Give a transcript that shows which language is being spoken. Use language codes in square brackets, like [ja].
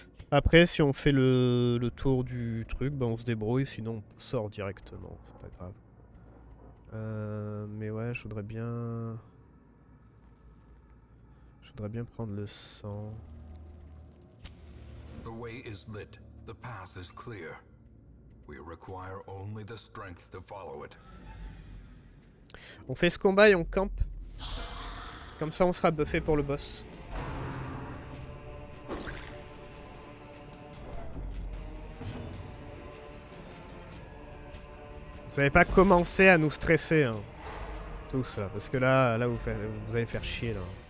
[fr] Après, si on fait le tour du truc, ben on se débrouille, sinon on sort directement, c'est pas grave. Mais ouais, je voudrais bien prendre le sang. [en] The way is lit. The path is clear. We require only the strength to follow it. [fr] On fait ce combat et on campe. Comme ça, on sera buffé pour le boss. Vous n'avez pas commencé à nous stresser, hein, tous là, parce que là vous allez faire chier là.